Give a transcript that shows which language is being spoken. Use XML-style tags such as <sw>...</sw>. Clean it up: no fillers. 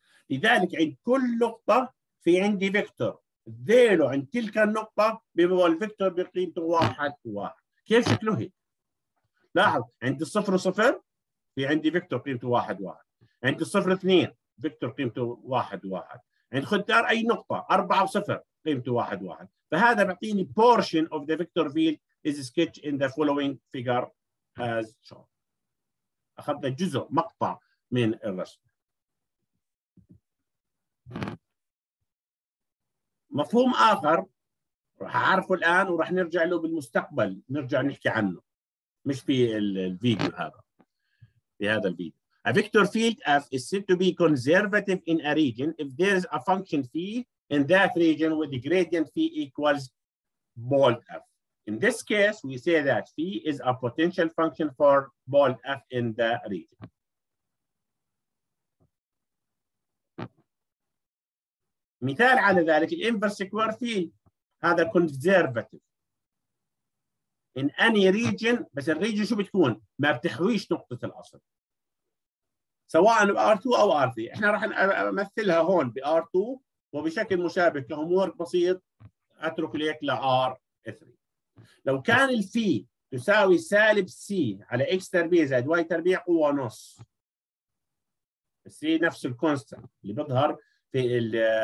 <ar>لذلك عند كل نقطه في عندي فيكتور ذيله عند تلك النقطة بيبقى الفيكتور بقيمته 1 1. كيف شكله هي؟ لاحظ عند 0 0 في عندي فيكتور قيمته 1 1، عند 0 2 فيكتور قيمته 1 1، عند خدار أي نقطة 4 0 قيمته 1 1. فهذا بعطيني</ar> <en>portion of the vector field is sketched in the following figure as shown.</en> <ar>أخذنا جزء مقطع من الرسم. مفهوم آخر راح أعرفه الآن وراح نرجع له بالمستقبل، نرجع نحكي عنه مش في الفيديو هذا، في هذا الفيديو.</ar> <en>A vector field F is said to be conservative in a region if there is a function phi in that region with the gradient phi equals bold F. In this case, we say that phi is a potential function for bold F in the region.</en> <ar>مثال على ذلك الانفرس سكوير فيلد هذا كونزرفاتيف ان اني ريجن بس الريجن شو بتكون؟ ما بتحويش نقطه الاصل سواء بار 2 او ار 3 احنا راح امثلها هون بار 2 وبشكل مشابه كهوم ورك بسيط اترك ليك لار 3 لو كان الفي تساوي سالب سي على اكس تربيع زائد واي تربيع قوه نص السي نفس الكونستنت اللي بيظهر في ال</ar>